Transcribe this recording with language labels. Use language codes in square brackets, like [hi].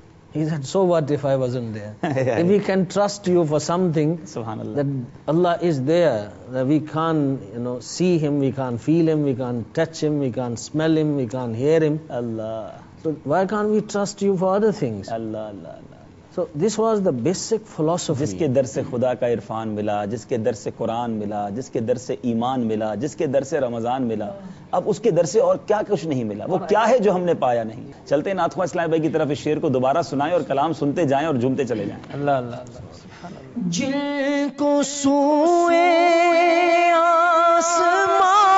[en] He said, so what if I wasn't there? If we can trust you for something, subhanallah, that Allah is there, that we can't, you know, see him, we can't feel him, we can't touch him, we can't smell him, we can't hear him, Allah, so why can't we trust you for other things? Allah. So this was the basic philosophy. [ur] Jiske dar se khuda ka irfan mila, jiske dar se quran mila, jiske dar se iman mila, jiske dar se ramzan mila, اب اس کے در سے اور کیا کچھ نہیں ملا، وہ کیا ہے جو ہم نے پایا نہیں؟ چلتے ہیں ناتخواں اسلام بھائی کی طرف، اس شعر کو دوبارہ سنائیں اور کلام سنتے جائیں اور جھومتے چلے جائیں۔ اللہ اللہ، جن کو سوئے آسمان